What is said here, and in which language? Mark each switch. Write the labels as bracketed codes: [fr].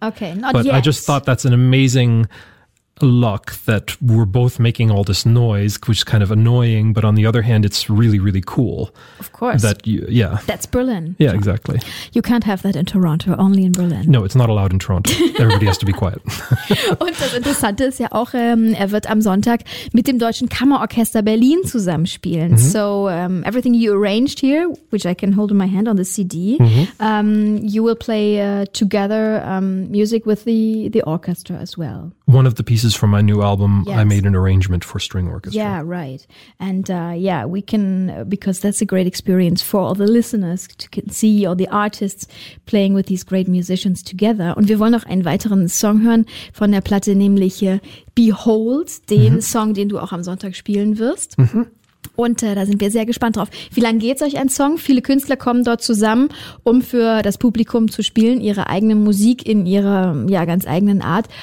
[en] Okay, not yet. But I just thought that's an amazing luck that we're both making all this noise, which is kind of annoying. But on the other hand, it's really, really cool. Of course. That you, yeah. That's Berlin. Yeah, exactly. You can't have that in Toronto, only in Berlin. No, it's not allowed in Toronto. Everybody has to be quiet. [de] Und das Interessante ist ja auch, wird am Sonntag mit dem Deutschen Kammerorchester Berlin zusammenspielen. Mm-hmm. [en] So everything you arranged here, which I can hold in my hand on the CD, mm-hmm. You will play together music with the orchestra as well. One of the pieces from my new album, yes. I made an arrangement for string orchestra. Yeah, right. And we can, because that's a great experience for all the listeners to see all the artists playing with these great musicians together. [de] Und wir wollen noch einen weiteren Song hören von der Platte, nämlich Behold, den mm-hmm. Song, den du auch am Sonntag spielen wirst. Mm-hmm. Und da sind wir sehr gespannt drauf. Wie lange geht's euch ein Song? Viele Künstler kommen dort zusammen, um für das Publikum zu spielen, ihre eigene Musik in ihrer ja ganz eigenen Art.